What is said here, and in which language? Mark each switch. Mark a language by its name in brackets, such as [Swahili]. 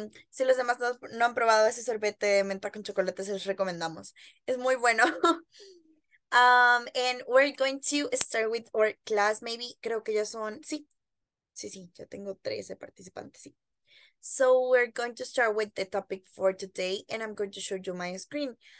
[Spanish] Si los demás no han probado ese sorbete de menta con chocolate, se los recomendamos. Es muy bueno. [English] And we're going to start with our class, maybe. [Spanish] Creo que ya son, sí, ya tengo 13 participantes, sí. [English] So we're going to start with the topic for today, and I'm going to show you my screen.